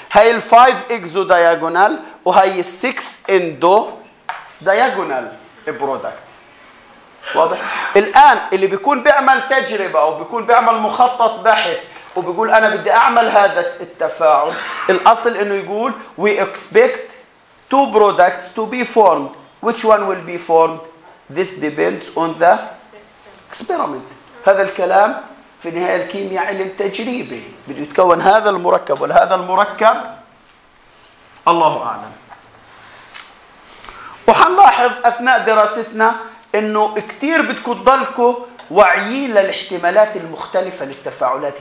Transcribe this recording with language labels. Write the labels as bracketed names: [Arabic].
[Arabic] هاي الفايف اكزو دياجونال وهي السكس اندو دياجونال برودكت. واضح؟ الان اللي بيكون بيعمل تجربه او بيكون بيعمل مخطط بحث وبيقول انا بدي اعمل هذا التفاعل، الاصل انه يقول [English] we expect two products to be formed. Which one will be formed? This depends on the experiment. [Arabic] هذا الكلام في نهاية الكيمياء علم تجريبي، بده يتكون هذا المركب ولا هذا المركب؟ الله اعلم. وحنلاحظ اثناء دراستنا انه كثير بدكم تضلكوا واعيين للاحتمالات المختلفة للتفاعلات.